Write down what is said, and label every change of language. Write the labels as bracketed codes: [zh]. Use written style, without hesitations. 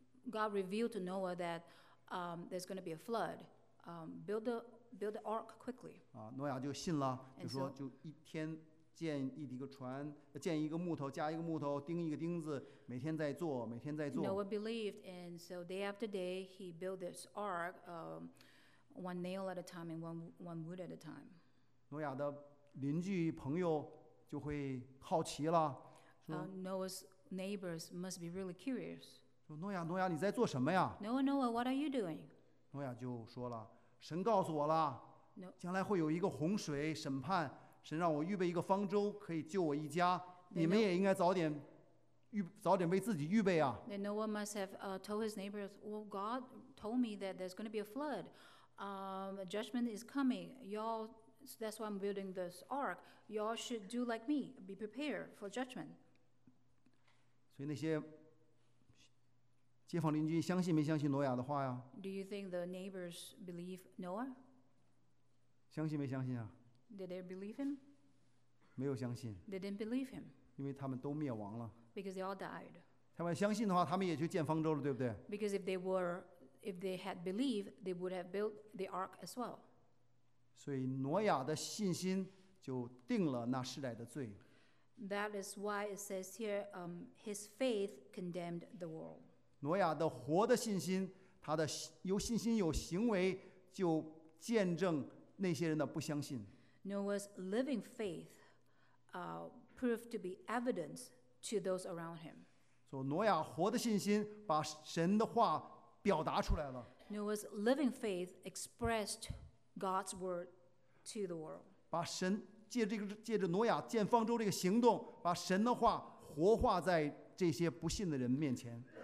[en] God revealed to Noah that there's going to be a flood. Build the ark quickly. [zh] 挪亚就信了，就说就一天。建一个船，建一个木头，加一个木头，钉一个钉子，每天在做，每天在做。 [en] Noah believed, and so day after day, he built this ark, one nail at a time and one wood at a time. [zh] 挪亚的邻居朋友就会好奇了，说 [en] Noah's neighbors must be really curious. [zh] 说挪亚，挪亚，你在做什么呀？ [en] Noah, what are you doing? [zh] 挪亚就说了，神告诉我了，将来会有一个洪水审判。神让我预备一个方舟，可以救我一家。你们也应该早点为自己预备啊。 [en] Then Noah must have told his neighbors, "Well, God told me that there's going to be a flood. Judgment is coming. Y'all, that's why I'm building this ark. Y'all should do like me, be prepared for judgment." [zh] 所以那些街坊邻居相信没相信挪亚的话呀 [en] ？Do you think the neighbors believe Noah? [zh] 相信没相信啊？ [en] Did they believe him? [zh] 没有相信。 [en] They didn't believe him. [zh] 因为他们都灭亡了。 [en] Because they all died. [zh] 他们相信的话，他们也去建方舟了，对不对？ [en] Because if they had believed, they would have built the ark as well. [zh] 所以挪亚的信心就定了那世代的罪。 [en] That is why it says here, his faith condemned the world. [zh] 挪亚的活的信心，他的有信心有行为，就见证那些人的不相信。 [en] Noah's living faith proved to be evidence to those around him. [zh] So, 挪亚活的信心把神的话表达出来了。 [en] Noah's living faith expressed God's word to the world. [zh] 把神借这个借着挪亚建方舟这个行动，把神的话活化在这些不信的人面前。